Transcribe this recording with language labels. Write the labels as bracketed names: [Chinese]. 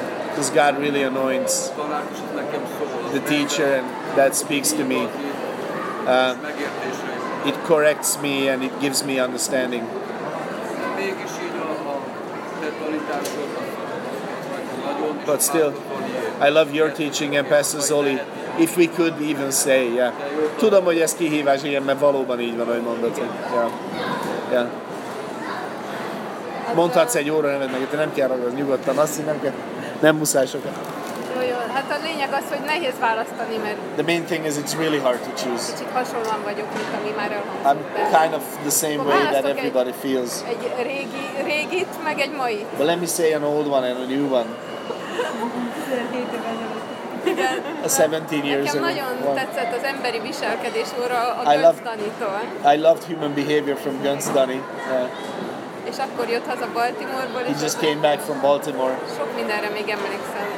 [English] Because God really anoints the teacher and that speaks to me. It corrects me and it gives me understanding. But still, I love your teaching and Pastor Zoli, if we could even say, yeah. [Hungarian] Tudom, hogy ez kihívás, igen, mert valóban így van, ahogy mondod. Yeah. Mondhatsz egy óra neved meg, de nem kell ragadni, nyugodtan, azt hiszem, nem muszáj sokat. Hát a lényeg az, hogy nehéz választani, mert... [English] The main thing is it's really hard to choose. [Hungarian] Kicsit hasonlóan vagyok, mint ami már elhangzott. [English] I'm kind of the same way that everybody feels. [Hungarian] Egy régit, meg egy mait. [English] But let me say an old one and a new one. [Hungarian] 17 éve [English] A 17 years ago. [Hungarian] Nekem nagyon tetszett az emberi viselkedés óra a Gönc Danitól. [English] I loved human behavior from Gönc Dani. [Hungarian] És akkor jött haza Baltimore-ból. [English] He just came back from Baltimore. [Hungarian] Sok mindenre még emlékszem.